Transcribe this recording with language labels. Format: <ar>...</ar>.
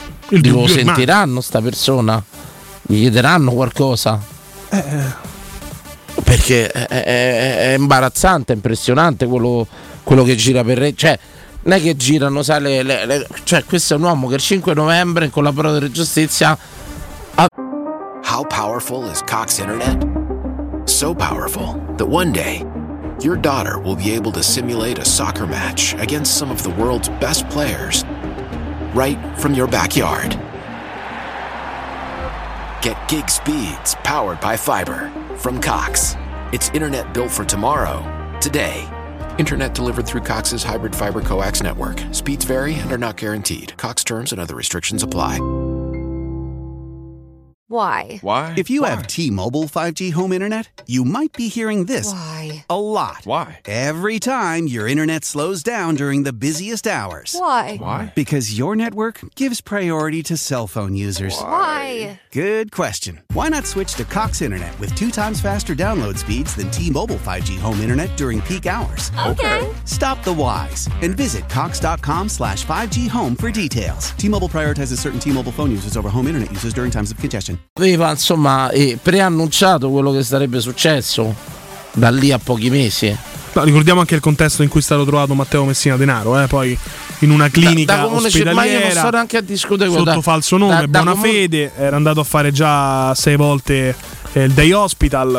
<it>il dubbio lo sentiranno sta persona? Gli chiederanno qualcosa? Perché è imbarazzante, è impressionante quello che gira per re. Cioè, non è che girano, sai, cioè, questo è un uomo che il 5 novembre, in collaborazione della giustizia, ha...</it> <en>How powerful is Cox Internet? So powerful that one day, your daughter will be able to simulate a soccer match against some of the world's best players right from your backyard. Get gig speeds powered by fiber from Cox. It's internet built for tomorrow, today. Internet delivered through Cox's hybrid fiber coax network. Speeds vary and are not guaranteed. Cox terms and other restrictions apply. Why? If you have T-Mobile 5G home internet, you might be hearing this a lot. Why? Every time your internet slows down during the busiest hours. Why? Because your network gives priority to cell phone users. Why? Good question. Why not switch to Cox Internet with 2x faster download speeds than T-Mobile 5G home internet during peak hours? Okay. Stop the whys and visit cox.com/5G home for details. T-Mobile prioritizes certain T-Mobile phone users over home internet users during times of congestion.</en> <it>Aveva insomma preannunciato quello che sarebbe successo da lì a pochi mesi. Ma ricordiamo anche il contesto in cui è stato trovato Matteo Messina Denaro, poi in una clinica ospedaliera. Ma io non sto neanche a discutere sotto falso nome, Bonafede era andato a fare già 6 volte il day hospital.</it>